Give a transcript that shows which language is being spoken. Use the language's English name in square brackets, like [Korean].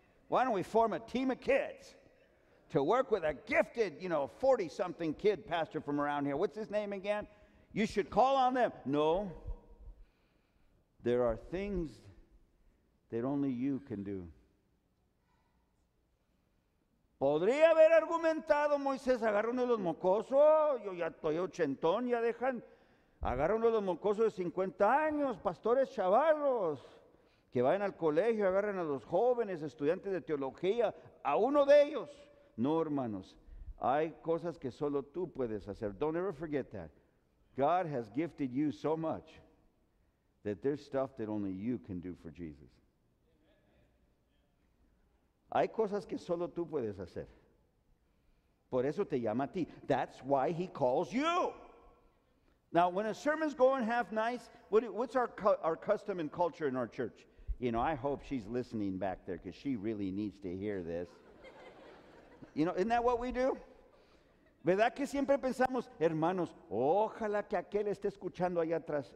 [English] Why don't we form a team of kids to work with a gifted, you know, 40-something kid pastor from around here. What's his name again? You should call on them. No. There are things that only you can do. [Spanish] Podría haber argumentado, Moisés, agárrenle los mocosos, yo ya estoy ochentón, ya dejan, agárrenle los mocosos de 50 años, pastores chavalos, que vayan al colegio, agarren a los jóvenes, estudiantes de teología, a uno de ellos. No, hermanos, hay cosas que solo tú puedes hacer. [English] Don't ever forget that. God has gifted you so much that there's stuff that only you can do for Jesus. [Spanish] Hay cosas que solo tú puedes hacer. Por eso te llama a ti. [English] That's why he calls you. Now, when a sermon's going half nice, what's our custom and culture in our church? You know, I hope she's listening back there because she really needs to hear this. You know, isn't that what we do? [Spanish] ¿Verdad que siempre pensamos, hermanos, ojalá que aquel esté escuchando allá atrás?